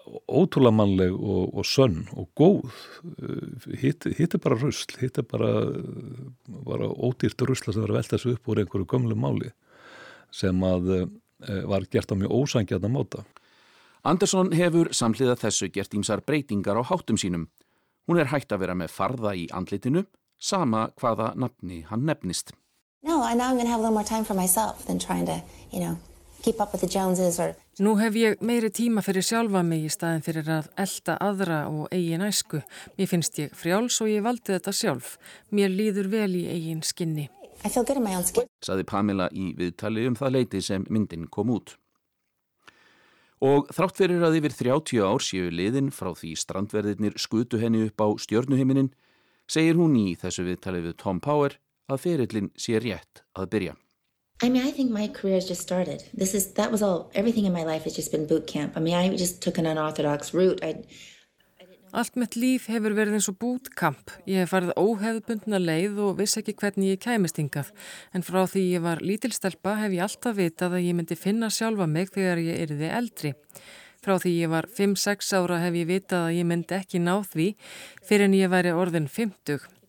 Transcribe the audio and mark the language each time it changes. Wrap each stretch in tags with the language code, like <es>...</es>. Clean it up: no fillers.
<is>ótrúlega mannleg og sönn og góð hitt er bara rusl, hitt er bara ódýrt rusla sem var að velta þessu upp úr einhverju gömlu máli sem að var gert á mjög ósangjarna móta. Andersson hefur samhliða þessu gert ýmsar breytingar á háttum sínum. Hún hætt að vera með farða í andlitinu, sama hvaða nafni hann nefnist.</is> <en>No, I now I'm going to have a little more time for myself than trying to, you know, keep up with the Joneses or...</en> <is>Nú hef ég meiri tíma fyrir sjálfa mig í staðin fyrir að elta aðra og eigin æsku. Mér finnst ég frjáls og ég valdi þetta sjálf. Mér líður vel í eigin skinni.</is> <en>I feel good in my own skin.</en> <is>Sagði Pamela í viðtali það leiti sem myndin kom út. Og þrátt fyrir að yfir 30 ár séu liðin frá því strandverðirnir skutu henni upp á stjörnuhimininn, segir hún í þessu viðtali við Tom Power að ferillinn sé rétt að byrja.</is> <en>I mean, I think my career has just started. Everything in my life has just been boot camp. I mean, I just took an unorthodox route.</en> <is>Allt mitt líf hefur verið eins og bootcamp. Ég hef farið óhefðbundna leið og vissi ekki hvernig ég kæmist hingað. En frá því ég var lítilstelpa hef ég alltaf vitað að ég myndi finna sjálfa mig þegar ég yrði eldri. Frá því ég var 5-6 ára hef ég vitað að ég myndi ekki ná því fyrir en ég væri orðin 50.</is>